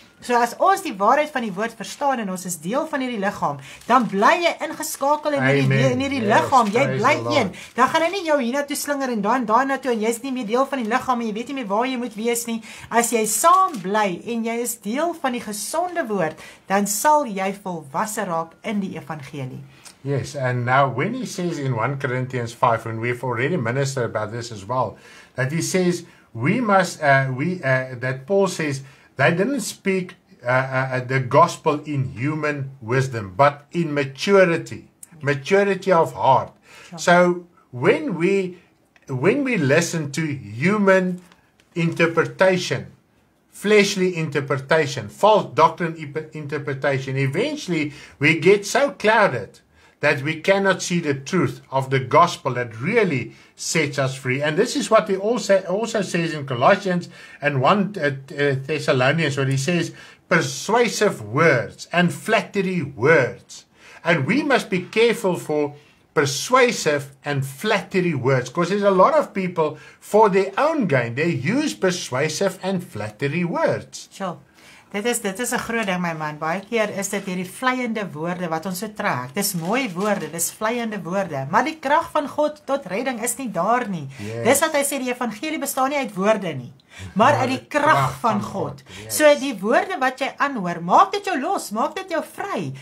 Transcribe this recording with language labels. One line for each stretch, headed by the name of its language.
Afrikaans: So as ons die waarheid van die woord verstaan en ons is deel van hierdie liggaam, dan bly jy ingeskakel in hierdie liggaam, jy bly een, dan gaan hy nie jou hierna toe slinger en dan daarna toe en jy is nie meer deel van die liggaam en jy weet nie meer waar jy moet wees nie. As jy saam bly en jy is deel van die gesonde woord, dan sal jy volwasse raak in die evangelie.
English: Yes, and now when he says in 1 Corinthians 5, and we've already ministered about this as well, that he says, that Paul says, they didn't speak the gospel in human wisdom, but in maturity of heart. Sure. So when we listen to human interpretation, fleshly interpretation, false doctrine interpretation, eventually we get so clouded that we cannot see the truth of the gospel that really sets us free. And this is what he also says in Colossians and 1 Thessalonians, where he says, persuasive words and flattery words. And we must be careful for persuasive and flattery words, because there's a lot of people, for their own gain, they use persuasive and flattery words. Sure.
Afrikaans: Dit is 'n groot ding, my man. Baie keer is dit hierdie vleiende woorde wat ons so trek. Dis mooi woorde, dis vleiende woorde. Maar die krag van God tot redding is nie daar nie.
English: Yes.
Afrikaans: Dis wat hy sê, die evangelie bestaan nie uit woorde nie, maar uit die krag van God.
English: Yes.
Afrikaans: So die woorde wat jy aanhoor, maak dit jou los, maak dit jou vry.